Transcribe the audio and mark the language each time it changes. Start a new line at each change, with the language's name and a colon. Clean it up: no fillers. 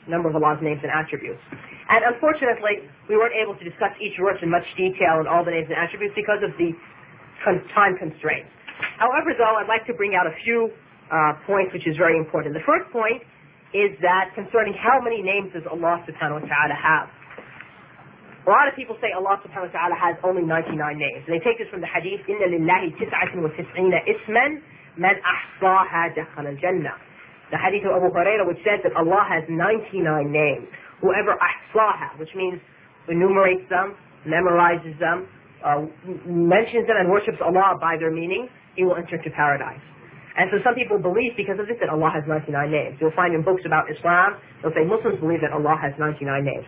English: And unfortunately, we weren't able to discuss each verse in much detail and all the names and attributes because of the time constraints. However, though, I'd like to bring out a few points which is very important. The first point is that concerning how many names does Allah subhanahu wa ta'ala have. A lot of people say Allah subhanahu wa ta'ala has only 99 names. And they take this from the hadith,
Arabic: إِنَّ لِلَّهِ تِسْعَةٍ وَتِسْعِينَ إِسْمًا مَنْ أَحْصَاهَا دَخَلَ الْجَنَّةِ.
English: The hadith of Abu Huraira, which says that Allah has 99 names. Whoever ahsaha, which means enumerates them, memorizes them, mentions them and worships Allah by their meaning, he will enter into paradise. And so some people believe because of this that Allah has 99 names. You'll find in books about Islam, they'll say Muslims believe that Allah has 99 names.